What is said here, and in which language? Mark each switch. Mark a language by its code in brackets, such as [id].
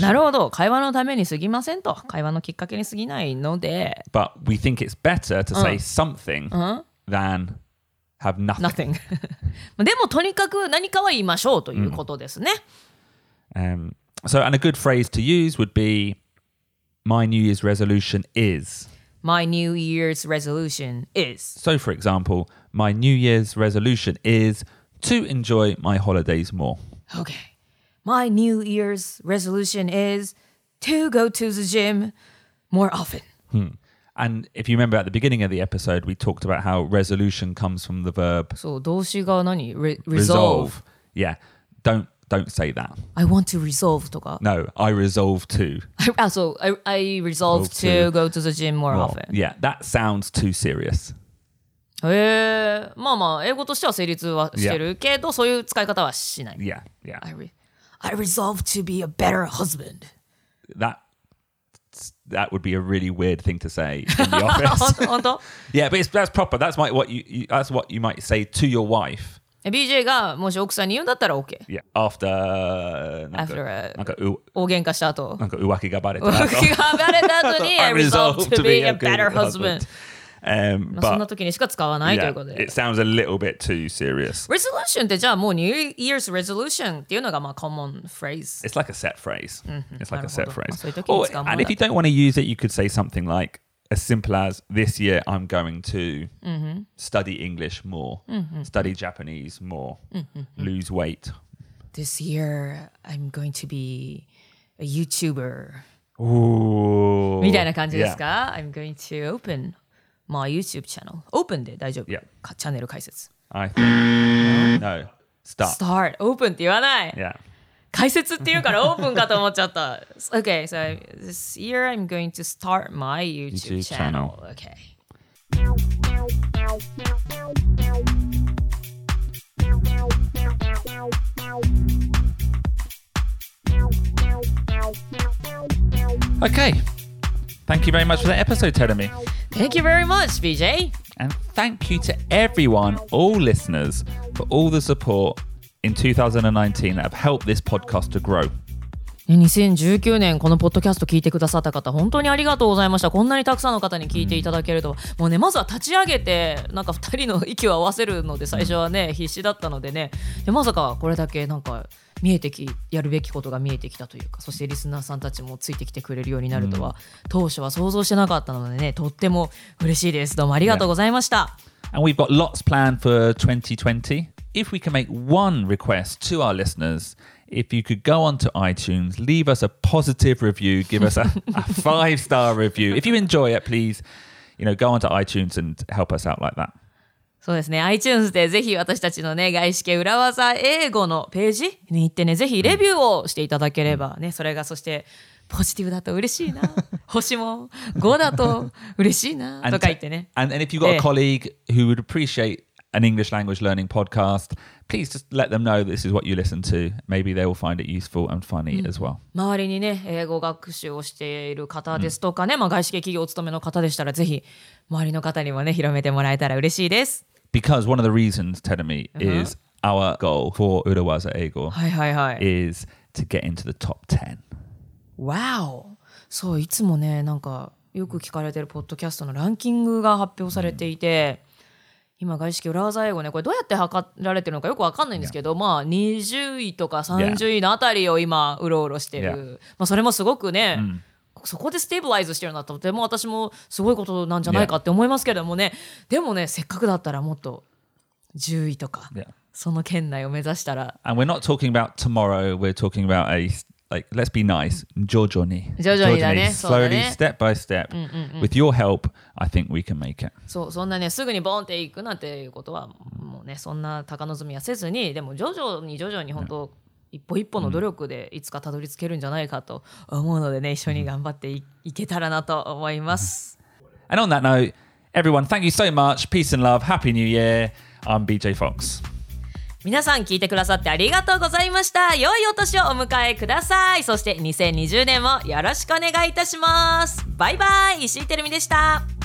[ja] なるほど。会話のためにすぎませんと。会話のきっかけにすぎないので。 [en] But we think it's better to say、うん、something、うん、 than... Have nothing. Nothing. [ja] でもとにかく何かは言いましょうということですね。 [en] So, and a good phrase to use would be, My New Year's resolution is. My New Year's resolution is. So, for example, My New Year's resolution is to enjoy my holidays more. Okay. My New Year's resolution is to go to the gym more often. Hmm. And if you remember at the beginning of the episode, we talked about how resolution comes from the verb. [ja] そう、動詞が何?Resolve. [en] Yeah. Don't say that. I want to resolve とか。 No, I resolve to. So, I resolve to go to the gym more often. Yeah, that sounds too serious. [ja] まあまあ、英語としては成立はしてるけど、そういう使い方はしない。 [en] Yeah, yeah. I resolve to be a better husband. That would be a really weird thing to say in the office. yeah, but that's proper. That's what you might say to your wife. [ja] BJ がもし奥さんに言うんだったら OK. [en] Yeah, after... After a... なんか [ja] 大喧嘩した後。なんか浮気がバレた後。浮気がバレた後に [en] I resolve to be a better husband. ま [ja] あ、そんな時にしか使わないということで。 [en] It sounds a little bit too serious. [ja] Resolution ってじゃあもう New Year's resolution っていうのがまあ [en] common phrase. It's like a set phrase. It's like a set phrase. [ja] まあ、そういう時に使うものだ。 [en] And if you don't want to use it, you could say something like as simple as this year I'm going to study English more, study Japanese more, lose weight. This year I'm going to be a YouTuber. Ooh. [ja] みたいな感じですか? [en] Yeah. I'm going to openMy YouTube channel. Open [ja] で大丈夫。 [en] Yeah. [ja] チャンネル解説。 [en] I think... No. Start. Start. [ja] Open って言わない。 [en] Yeah. [ja] 解説って言うからオープンかと思っちゃった。 [en] Okay, so this year I'm going to start my YouTube channel. Okay. Okay. Thank you very much for that episode, Terumi. Thank you very much, BJ. And thank you to everyone, all listeners, for all the support in 2019 that have helped this podcast to grow. [ja] 2019年このポッドキャスト聞いてくださった方本当にありがとうございました。こんなにたくさんの方に聞いていただけるとは、もうね、まずは立ち上げてなんか二人の息を合わせるので最初はね必死だったのでね、でまさかこれだけなんか見えてきやるべきことが見えてきたというか、そしてリスナーさんたちもついてきてくれるようになるとは、当初は想像してなかったのでね、とっても嬉しいです。どうもありがとうございました。 [en] Yeah. And we've got lots planned for 2020. If we can make one request to our listeners, if you could go onto iTunes, leave us a positive review, give us a five-star review. If you enjoy it, please, you know, go onto iTunes and help us out like that. [ja] そうですね、iTunes でぜひ私たちのね、外資系裏技英語のページに行ってね、ぜひレビューをしていただければね、それがそしてポジティブだと嬉しいな。星も5だと嬉しいな。とか言ってね。 [en] And if you've got a colleague who would appreciate an English language learning podcast, please just let them know this is what you listen to. Maybe they will find it useful and funny as well. [ja] 周りにね、英語学習をしている方ですとかね、まあ外資系企業を務めの方でしたら、ぜひ周りの方にもね、広めてもらえたら嬉しいです。 [en] Because one of the reasons, Terumi, is our goal for Urawaza Eigo is to get into the top 10. Wow! [ja] そう、いつもね、なんかよく聞かれてるポッドキャストのランキングが発表されていて、今外資系裏技英語ね、これどうやって測られてるのかよくわかんないんですけど、まあ20位とか30位のあたりを今うろうろしてる。まあそれもすごくね、そこでステーブライズしてるのはとても私もすごいことなんじゃないかって思いますけどもね。でもね、せっかくだったらもっと10位とか、その圏内を目指したら。 [en] And we're not talking about tomorrow, we're talking about a, like, let's be nice, [ja] 徐々に。徐々にだね。 [en] Slowly, step by step. With your help, I think we can make it. [ja] そう、そんなね、すぐにボーンっていくなんていうことは、もうね、そんな高望みはせずに、でも徐々に本当、一歩一歩の努力でいつかたどり着けるんじゃないかと思うのでね、一緒に頑張っていけたらなと思います。 [en] And on that note, everyone, thank you so much. Peace and love. Happy New Year. I'm BJ Fox. [ja] 皆さん聞いてくださってありがとうございました。良いお年をお迎えください。そして2020年もよろしくお願いいたします。バイバイ、石井テルミでした。